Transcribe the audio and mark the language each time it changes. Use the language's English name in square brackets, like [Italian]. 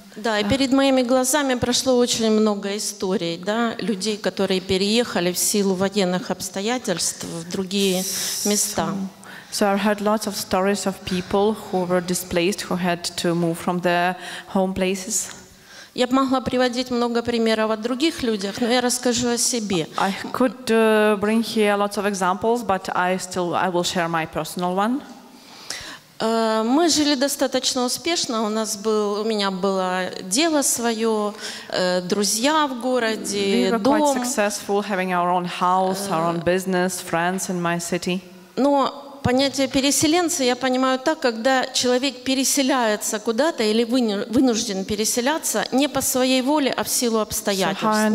[Russian] Да, и перед моими глазами прошло очень много историй, да, людей, которые переехали в силу военных обстоятельств в другие места. [English] So I heard lots of stories of people who were displaced, who had to move from their home places. [Russian] Я бы могла приводить много примеров о других людях, но я расскажу о себе. [English] I could bring here lots of examples, but I will share my personal one. [Russian] Мы жили достаточно успешно. У меня было дело свое, друзья в городе, дом. [English] We were quite successful, having our own house, our own business, friends in my city. [Russian] Но понятие переселенца я понимаю так, когда человек переселяется куда-то или вынужден переселяться не по своей воле, а в силу обстоятельств.